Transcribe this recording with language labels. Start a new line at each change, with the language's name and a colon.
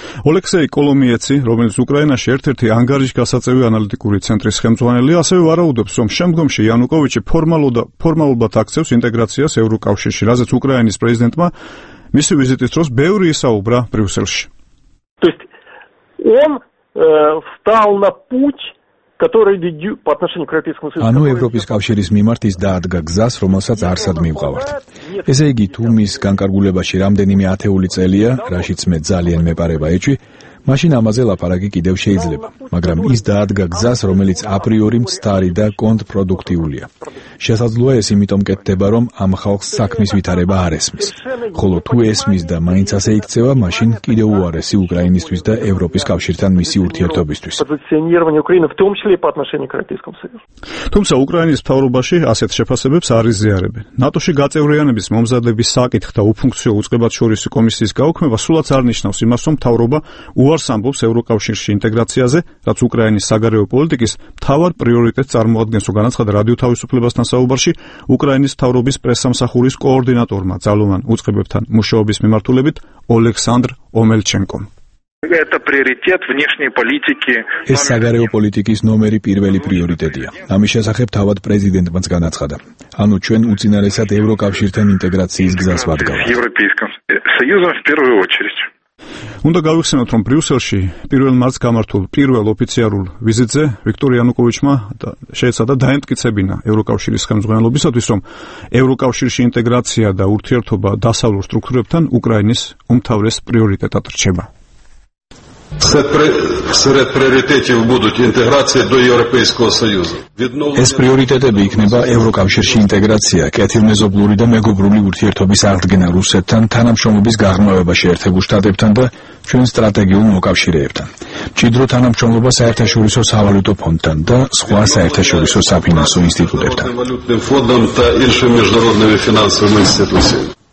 Georgian: ოლექსეი კოლომიეცი, რომელიც უკრაინაში ერთ-ერთი ანგარიშგასაწევი ანალიტიკური ცენტრის ხელმძღვანელია, ასევე ვარაუდობს, რომ შემდგომში იანუკოვიჩი ფორმალურად აქცევს ინტეგრაციას ევროკავშირში, რაზეც უკრაინის პრეზიდენტმა მისი ვიზიტის დროს ბევრი ისაუბრა ბრიუსელში.
Russian: То есть он встал на путь, который ведёт по отношению к Европейскому союзу. Ано Европейский кавшерис мимарт
Georgian: ის დაადგა გზას, რომელსაც არსად მივყავართ. ესე იგი, თუ მის განკარგულებაში რამდენიმე ათეული წელია, რაშიც მე ძალიან მეპარება ეჩვი, მაშინ ამაზე ლაპარაკი კიდევ შეიძლება, მაგრამ ის დაადგა გზას, რომელიც აპრიორი მცდარი და კონტრპროდუქტიულია. შესაძლოა ეს იმიტომ კეთდება, რომ ამ ხალხს საქმის ვითარება არ ესმის. ხოლო თუ ესმის და მაინც ასე იქცევა, მაშინ კიდევ უარესი უკრაინისთვის და ევროპის კავშირთან მისი ურთიერთობისთვის. თუმცა უკრაინის მთავრობაში ასეთ შეფასებებს არ იზიარებენ. ნატოში გაწევრიანების მომზადების საკითხთა უფუნქციო უწყებათ შორის კომისიის გაუქმება სულაც არ ნიშნავს იმას, რომ მთავრობა უარს ამბობს ევროკავშირში ინტეგრაციაზე, რაც უკრაინის საგარეო პოლიტიკის მთავარ პრიორიტეტს წარმოადგენს, განაცხადა რადიო თავისუფლებასთან საუბარში უკრაინის მთავრობის პრესსამსახურის კოორდინატორმა ძალოვან უწყებებთან მუშაობის მიმართულებით ოლექსანდრ ომელჩენკომ.
Russian: Это приоритет внешней политики.
Georgian: ეს საგარეო პოლიტიკის ნომერი პირველი პრიორიტეტია. ამის შესახებ თავად პრეზიდენტმაც განაცხადა. ანუ ჩვენ უწინარესად ევროკავშირთან ინტეგრაციის გზას ვადგავთ.
Russian: Европейским союзом в первую очередь.
Georgian: უნდა გავიხსენოთ, რომ ბრიუსელში 1 მარტს გამართულ პირველ ოფიციალურ ვიზიტზე ვიქტორ იანუკოვიჩმა შეეცადა დაემტკიცებინა ევროკავშირის ხელმძღვანელობისათვის, რომ ევროკავშირში ინტეგრაცია და ურთიერთობა დასავლურ სტრუქტურებთან უკრაინის უმთავრეს პრიორიტეტად რჩება.
Russian: Среди приоритетов будут интеграция до Европейского союза.
Georgian: ეს პრიორიტეტები იქნება ევროკავშირში ინტეგრაცია, კეთილმეზობლური და მეგობრული ურთიერთობის აღდგენა რუსეთთან, თანამშრომლობის გაღრმავება შეერთებულ შტატებთან და ჩვენ სტრატეგიულ მოკავშირეებთან. მჭიდრო თანამშრომლობა საერთაშორისო სავალუტო ფონდთან და სხვა საერთაშორისო საფინანსო ინსტიტუტებთან.